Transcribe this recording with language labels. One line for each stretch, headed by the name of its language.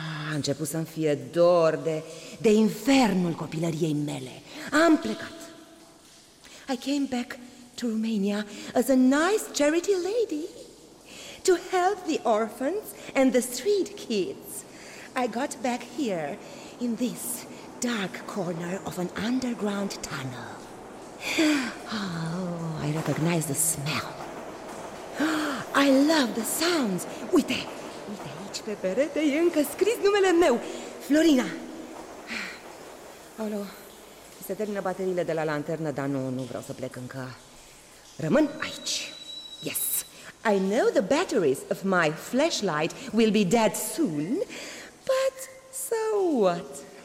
Romanian: A început să-mi fie dor de infernul copilăriei mele. Am plecat.
English: I came back to Romania as a nice charity lady to help the orphans and the street kids. I got back here in this dark corner of an underground tunnel. Oh, I recognize the smell. I love the sounds.
Romanian: Uite, uite aici pe perete e încă scris numele meu, Florina. Aolo, se termină bateriile de la lanternă, dar nu vreau să plec încă. Rămân aici.
English: Yes, I know the batteries of my flashlight will be dead soon, but so what?